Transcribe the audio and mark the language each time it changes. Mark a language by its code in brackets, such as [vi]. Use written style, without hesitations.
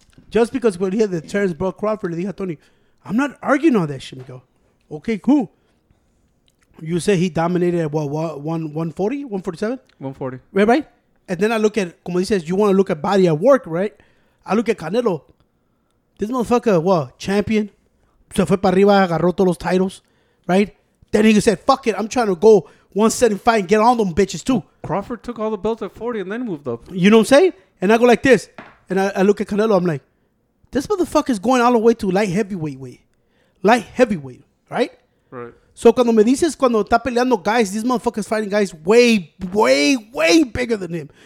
[en] Just because when he had the Terrence Bell Crawford, he dijo Tony, I'm not arguing all that shit, amigo. Okay, cool. You say he dominated at what, 140, 147? 140. Right, right? And then I look at, [es] como dices, [en] you want to look at body at work, right? I look at Canelo. This motherfucker, what, champion? [es] Se fue para arriba, agarró todos los titles, right? [en] Then he said, fuck it, I'm trying to go 175 and get all them bitches too. Crawford took all the belts at 40 and then moved up. You know what I'm saying? And I go like this. And I look at Canelo, I'm like, this motherfucker's going all the way to light heavyweight weight. Light heavyweight, right? Right. So [es] cuando me dices, cuando está peleando [en] guys, these motherfuckers fighting guys way, way, way bigger than him.